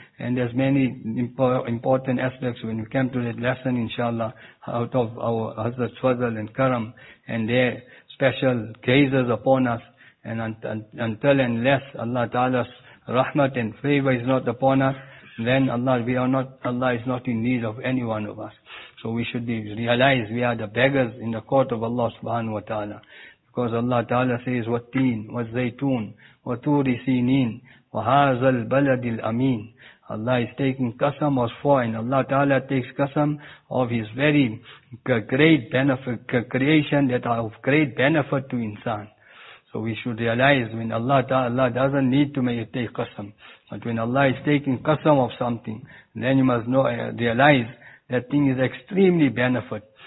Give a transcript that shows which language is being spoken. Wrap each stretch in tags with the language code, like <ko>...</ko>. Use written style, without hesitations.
<en>And there's many important aspects when we come to that lesson, inshallah, out of our Hazrat Fazl and Karam and their special graces upon us. And until and unless Allah Ta'ala's rahmat and favor is not upon us, then Allah is not in need of any one of us. So we should realize we are the beggars in the court of Allah Subhanahu wa Ta'ala. Because Allah Ta'ala says,</en> <ar>وَالتِّينِ وَالزَّيْتُونِ وَتُورِ سِينِينَ وَهَذَا الْبَلَدِ الْأَمِينِ.</ar> <en>Allah is taking qasam or swore, and Allah Ta'ala takes qasam of His very great benefit, creation that are of great benefit to insan. So we should realize when Allah Ta'ala doesn't need to make you take qasam. But when Allah is taking qasam of something, then you must know, realize that thing is extremely benefit.</en>